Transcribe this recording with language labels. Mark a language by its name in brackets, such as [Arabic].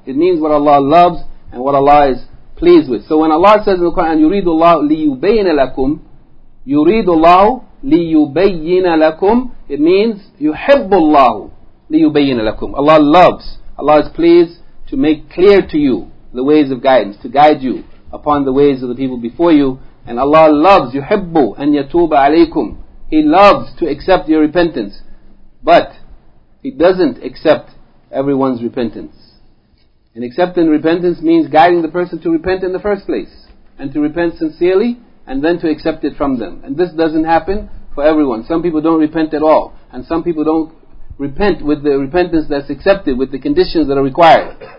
[English] It means what Allah loves and what Allah is pleased with. So when Allah says in the Quran, [Arabic] يُرِيدُ اللَّهُ لِيُبَيِّنَ لَكُمْ, [English] يُرِيدُ اللَّهُ لِيُبَيِّنَ لَكُمْ, it means يُحِبُّ اللَّهُ لِيُبَيِّنَ لَكُمْ. Allah loves, Allah is pleased to make clear to you the ways of guidance, to guide you upon the ways of the people before you. And Allah loves, [Arabic] يُحِبُّ أَنْ يَتُوبَ عَلَيْكُمْ. [English] He loves to accept your repentance. But He doesn't accept everyone's repentance. And accepting repentance means guiding the person to repent in the first place, and to repent sincerely, and then to accept it from them. And this doesn't happen for everyone. Some people don't repent at all, and some people don't repent with the repentance that's accepted, with the conditions that are required.